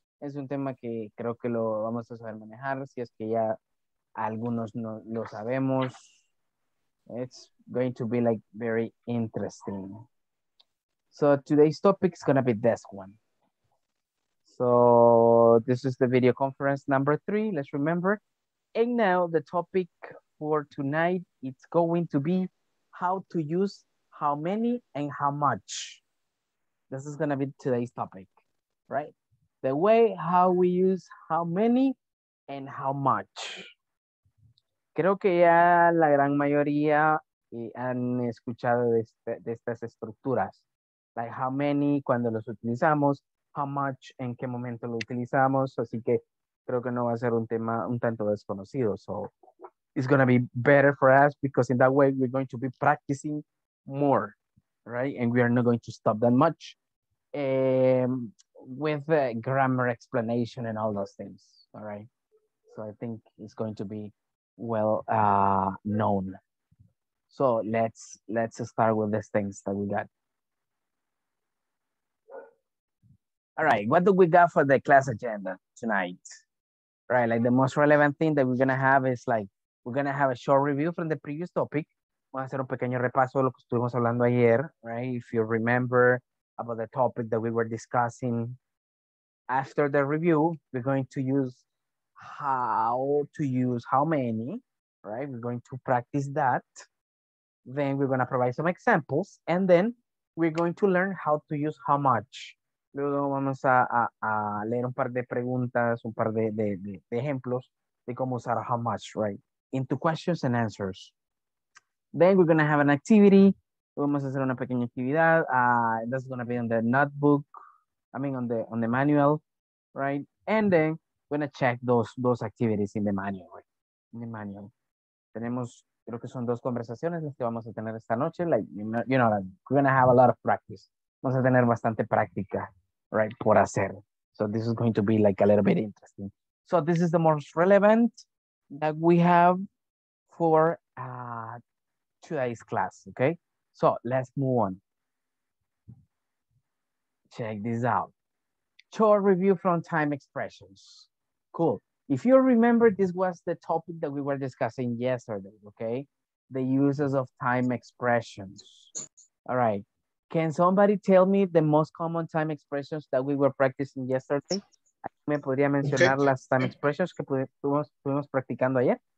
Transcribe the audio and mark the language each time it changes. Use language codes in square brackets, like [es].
[es] Es un tema que creo que lo vamos a saber manejar, si es que ya algunos no lo sabemos. [en] It's going to be like very interesting. So today's topic is going to be this one. So this is the video conference number 3, let's remember. And now the topic for tonight, it's going to be how to use how many and how much. This is going to be today's topic, right? The way how we use how many and how much. [es] Creo que ya la gran mayoría han escuchado de estas estructuras. Like how many, cuando los utilizamos. How much, en qué momento lo utilizamos. Así que creo que no va a ser un tema un tanto desconocido. [en] So it's going to be better for us because in that way we're going to be practicing more, right? And we are not going to stop that much with the grammar explanation and all those things, all right? So I think it's going to be well known. So let's start with these things that we got. All right, what do we got for the class agenda tonight? Right, like the most relevant thing that we're going to have is like, we're going to have a short review from the previous topic. [es] Vamos a hacer un pequeño repaso de lo que estuvimos hablando ayer, right? [en] If you remember about the topic that we were discussing. After the review, we're going to use how to use how many, right? We're going to practice that. Then we're going to provide some examples. And then we're going to learn how to use how much. [es] Luego vamos a leer un par de preguntas, un par de ejemplos de cómo usar how much, right? [en] Into questions and answers. Then we're going to have an activity. [es] Vamos a hacer una pequeña actividad. [en] That's going to be on the notebook. I mean, on the manual, right? And then we're going to check those activities in the manual, right? In the manual. [es] Tenemos, creo que son dos conversaciones las que vamos a tener esta noche. [en] Like, you know, like, we're going to have a lot of practice. [es] Vamos a tener bastante práctica, right, por hacer. [en] So this is going to be like a little bit interesting. So this is the most relevant that we have for today's class, okay? So let's move on. Check this out. Chore review from time expressions. Cool. If you remember, this was the topic that we were discussing yesterday, okay? The uses of time expressions. All right. Can somebody tell me the most common time expressions that we were practicing yesterday? [es] ¿Me podría mencionar okay. Las time expressions que estuvimos practicando ayer?